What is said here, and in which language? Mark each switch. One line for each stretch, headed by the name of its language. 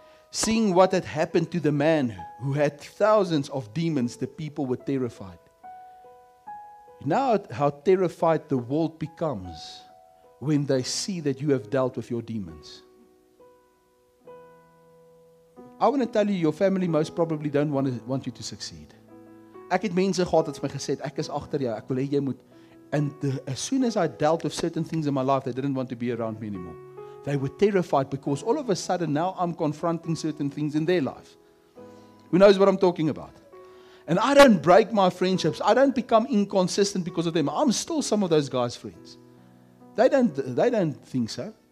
English: Seeing what had happened to the man who had thousands of demons, the people were terrified. Now how terrified the world becomes when they see that you have dealt with your demons. I want to tell you, your family most probably don't want you to succeed.
Afrikaans: Ek het mense gehad wat vir my gesê het, ek is agter jou, ek wil hê jy moet.
English: And as soon as I dealt with certain things in my life, they didn't want to be around me anymore. They were terrified because all of a sudden now I'm confronting certain things in their life. Who knows what I'm talking about? And I don't break my friendships. I don't become inconsistent because of them. I'm still some of those guys' friends. They don't think so.